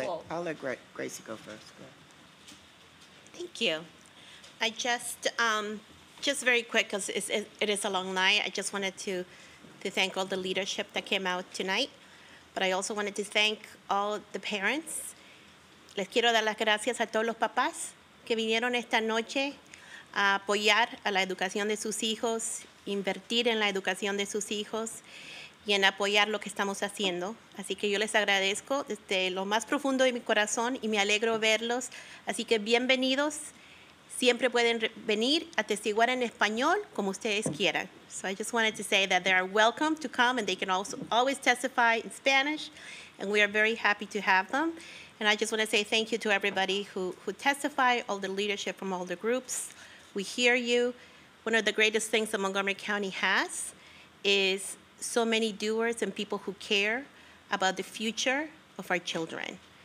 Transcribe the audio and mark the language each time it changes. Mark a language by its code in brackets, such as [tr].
[en] I'll let Gracie go first. Thank you. I just Just very quick, because it is a long night. I just wanted to thank all the leadership that came out tonight. But I also wanted to thank all the parents. [es] Les quiero dar las gracias a todos los papás que vinieron esta noche a apoyar a la educación de sus hijos, invertir en la educación de sus hijos y en apoyar lo que estamos haciendo. Así que yo les agradezco desde lo más profundo de mi corazón y me alegro verlos. Así que bienvenidos. Siempre pueden venir a testiguar en español como ustedes quieran. [en] So I just wanted to say that they are welcome to come and they can also always testify in Spanish. And we are very happy to have them. And I just want to say thank you to everybody who testified, all the leadership from all the groups. We hear you. One of the greatest things that Montgomery County has is so many doers and people who care about the future of our children.